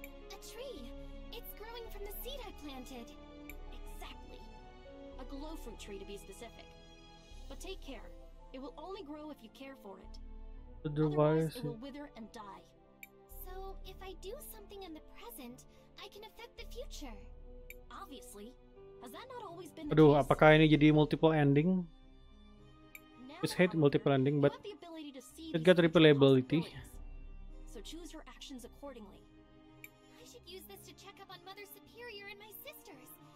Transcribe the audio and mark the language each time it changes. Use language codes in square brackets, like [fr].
[en] A tree. It's growing from the seed I planted. Exactly. A glowfruit tree to be specific. But take care. It will only grow if you care for it. Otherwise, it will wither and die. So, if I do something in the present, I can affect the future. Obviously. [id] Aduh, apakah ini jadi multiple ending? [en] I hate multiple ending, but it got replayability. So choose your actions accordingly. I should use this to check up on Mother Superior and my sisters.